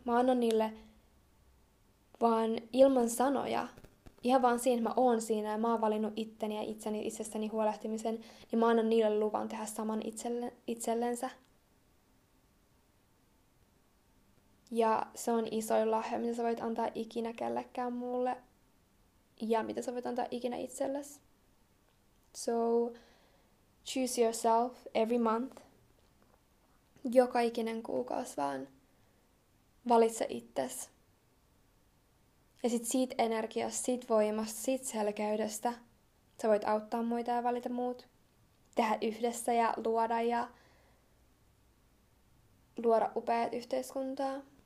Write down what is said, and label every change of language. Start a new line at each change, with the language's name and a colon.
Finnish: Mä annan niille vaan ilman sanoja, ihan vaan siinä, mä oon siinä ja mä oon valinnut itteni ja itsestäni huolehtimisen, niin mä annan niille luvan tehdä saman itsellensä. Ja se on isoin lahja, mitä sä voit antaa ikinä kellekään muulle ja mitä sä voit antaa ikinä itsellesi.
English: So choose yourself every month.
Finnish: Joka ikinen kuukausi vaan. Valitse itses. Ja sit siitä energiasta, siitä voimasta, siitä selkeydestä sä voit auttaa muita ja valita muut. Tehdä yhdessä ja luoda upeat yhteiskuntaa.